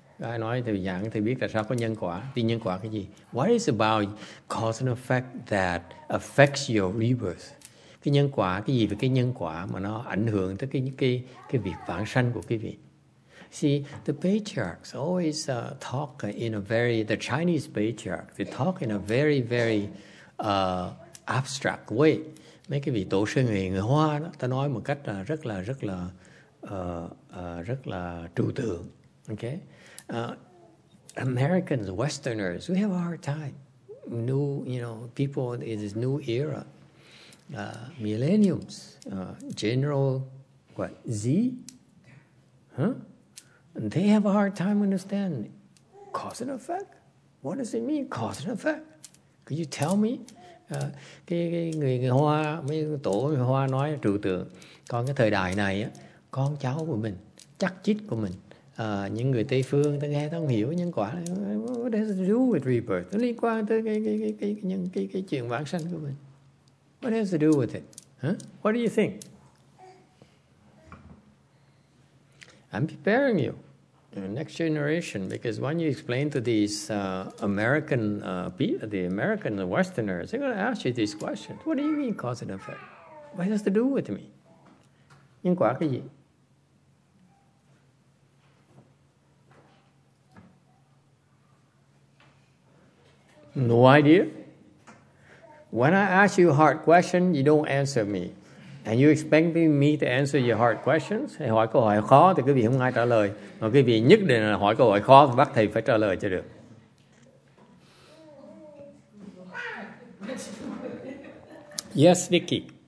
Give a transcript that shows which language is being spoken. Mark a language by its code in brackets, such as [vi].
[vi] Ai nói thì giảng thì biết là sao có nhân quả, tiên nhân quả cái gì? [en] What is about cause and effect that affects your rebirth? [vi] Cái nhân quả cái gì về cái nhân quả mà nó ảnh hưởng tới cái việc vãng sanh của quý vị? [en] See, the patriarchs always talk in a very, the Chinese patriarch, they talk in a very, very abstract way. [vi] Mấy cái vị tổ sư người Hoa đó, ta nói một cách rất là trừu tượng. [en] Okay? Americans, Westerners, we have a hard time. New, you know, people in this new era, millenniums, General, what, Z? Huh? They have a hard time understanding cause and effect. What does it mean, cause and effect? Could you tell me? [vi] Người Hoa, mấy tổ người Hoa nói trừu tượng, còn cái thời đại này, con cháu của mình, chắc chít của mình, những người Tây phương ta nghe ta không hiểu nhân quả là [en] what does it do with rebirth? [vi] Nó liên quan tới cái chuyện vãng sanh của mình. [en] What does it do with it? Huh? What do you think? I'm preparing you, the next generation, because when you explain to these American people, the American the Westerners, they're going to ask you these questions. What do you mean cause and effect? What does it do with me? [vi] Nhân quả cái gì? [en] No idea. When I ask you a hard question, you don't answer me. And you expecting me to answer your hard questions? [vi] Hey, hỏi câu hỏi khó thì quý vị không ai trả lời. Mà quý vị nhất định là hỏi câu hỏi khó thì bắt thầy phải trả lời cho được. [en] Yes, Vicky.